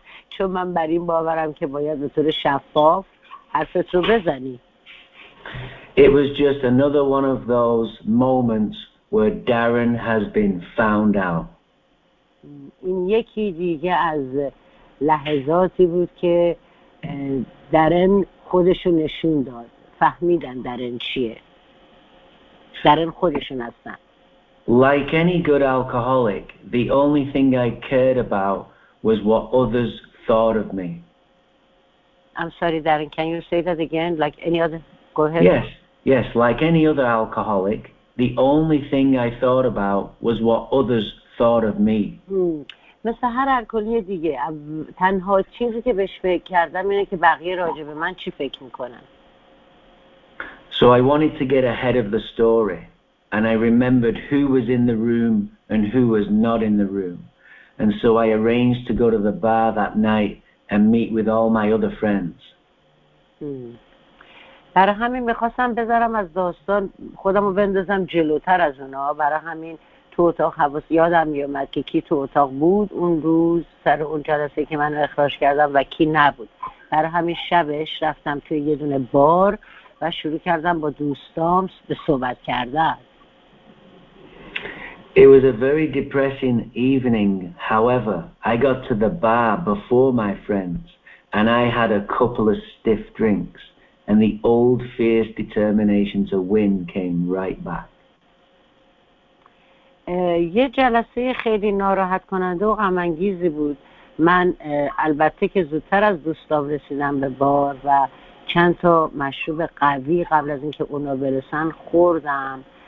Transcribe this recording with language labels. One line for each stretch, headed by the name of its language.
Persian: چون من بر این باورم که باید به طور شفاف حرفت رو بزنی.
English: It was just another one of those moments where Darren has been found out.
Persian: این یکی دیگه از لحظاتی بود که درن خودشو نشون داد، فهمیدن درن چیه، درن خودشون هستن.
English: Like any good alcoholic, the only thing I cared about was what others thought of me. I'm sorry, Darren, can you say that again? Like any other, go ahead. Yes, like any other alcoholic, the only thing I thought about was what others thought of me.
Persian: مثل هر الکلی دیگه، تنها چیزی که بهش فکر کردم اینه که بقیه راجع به من چی فکر میکنن.
English: So I wanted to get ahead of the story. And I remembered who was in the room and who was not in the room. And so I arranged to go to the bar that night and meet with all my other friends.
Persian: برای همین میخواستم بذارم از داستان خودم رو بندازم جلوتر از اونا. برای همین تو اتاق حواس یادم میومد که کی تو اتاق بود اون روز سر اون جلسه که من اخراج کردم و کی نبود. برای همین شبش رفتم توی یه دونه بار و شروع کردم با دوستام به صحبت کردن.
English: It was a very depressing evening. However, I got to the bar before my friends and I had a couple of stiff drinks and the old fierce determination to win came right back.
Persian: یه جلسه خیلی ناراحت کننده و غم انگیزی بود. من البته که زودتر از دوستام رسیدم به بار و چند تا مشروب قوی قبل از اینکه اونا برسن خوردم.